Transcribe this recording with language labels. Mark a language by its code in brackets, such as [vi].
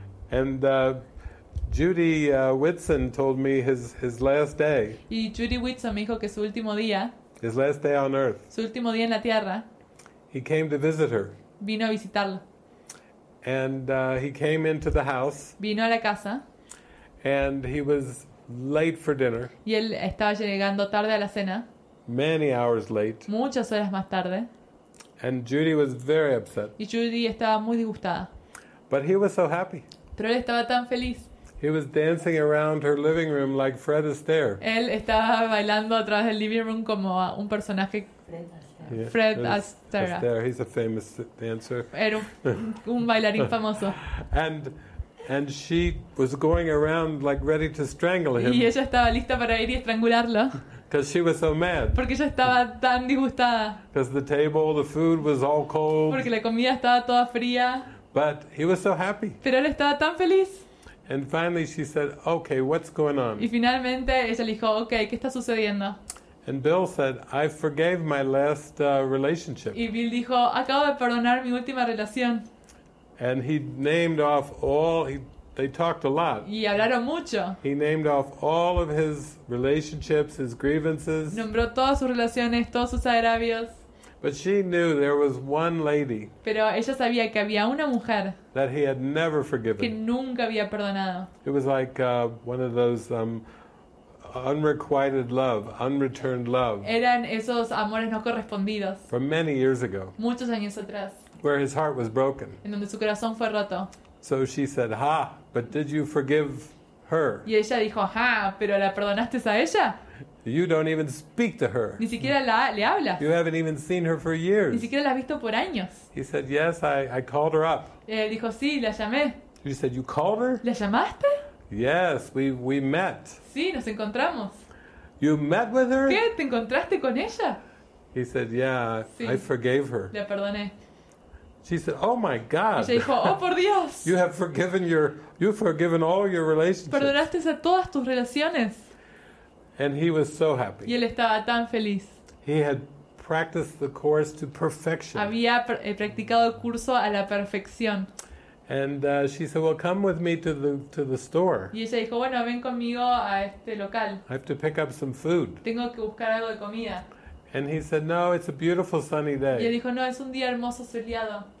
[en] And Judy Whitson told me his last day. [es] Y Judy Whitson me dijo que su último día. [en] His last day on earth. [es] Su último día en la tierra. [en] He came to visit her. [es] Vino a visitarla. [en] And he came into the house. [es] Vino a la casa. [en] And he was late for dinner. [es] Y él estaba llegando tarde a la cena. [en] Many hours late. [es] Muchas horas más tarde. [en] And Judy was very upset. [es] Y Judy estaba muy disgustada. [en] But he was so happy. [es] Pero él estaba tan feliz. [en] He was dancing around her living room like Fred Astaire. [es] Él estaba bailando a través del living room como un personaje. [en] Fred Astaire. [es] Yeah, Fred Astaire. [en] He's a famous dancer. [es] Era un bailarín famoso. [en] And she was going around like ready to strangle him. [es] Y ella estaba lista para ir y estrangularlo. [en] Because she was so mad. [es] Porque ella estaba tan disgustada. [en] Because the table, the food was all cold. [es] Porque la comida estaba toda fría. [en] But he was so happy. [es] Pero él estaba tan feliz. [en] And finally she said, "Okay, what's going on?" [es] Y finalmente ella le dijo, "Okay, ¿qué está sucediendo?" [en] And Bill said, "I forgave my last relationship." [es] Y Bill dijo, "Acabo de perdonar mi última relación." [en] And he named off all they talked a lot. [es] Y hablaron mucho. [en] He named off all of his relationships, his grievances. [es] Nombró todas sus relaciones, todos sus agravios. [en] But she knew there was one lady. [es] Pero ella sabía que había una mujer. [en] That he had never forgiven. [es] Que nunca había perdonado. [en] It was like one of those unrequited love, unreturned love. [es] Eran esos amores no correspondidos. [en] From many years ago. [es] Muchos años atrás. [en] Where his heart was broken. [es] En donde su corazón fue roto. [en] So she said, "Ha, but did you forgive her?" [es] Y ella dijo, "Ha, pero la perdonaste a ella?" [en] You don't even speak to her. [es] Ni siquiera le hablas. [en] You haven't even seen her for years. [es] Ni siquiera la has visto por años. [en] He said, "Yes, I called her up." [es] Y él dijo, "Sí, la llamé." [en] She said, "You called her?" [es] ¿La llamaste? [en] Yes, we met. [es] Sí, nos encontramos. [en] You met with her? [es] ¿Qué? ¿Te encontraste con ella? [en] He said, "Yeah, [es] sí, [en] I forgave her." [es] La perdoné. [en] She said, "Oh my God." [es] Y ella dijo, "Oh, por Dios." [en] You have forgiven you've forgiven all your relationships. [es] Perdonaste a todas tus relaciones. [en] And he was so happy. [es] Y él estaba tan feliz. [en] He had practiced the course to perfection. [es] Había practicado el curso a la perfección. [en] And she said, "Well, come with me to the store." [es] Y ella dijo, "Bueno, ven conmigo a este local." [en] I have to pick up some food. [es] Tengo que buscar algo de comida. [en] And he said, "No, it's a beautiful sunny day." [es] Y él dijo, "No, es un día hermoso soleado."